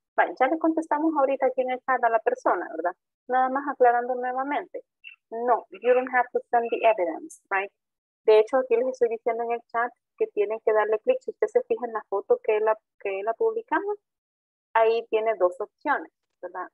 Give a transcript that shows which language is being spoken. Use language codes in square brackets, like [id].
[es] Bueno, ya le contestamos ahorita aquí en el chat a la persona, ¿verdad? Nada más aclarando nuevamente. [en] No, you don't have to send the evidence, right? [es] De hecho, aquí les estoy diciendo en el chat que tienen que darle clic. Si usted se fija en la foto que la publicamos, ahí tiene dos opciones, ¿verdad?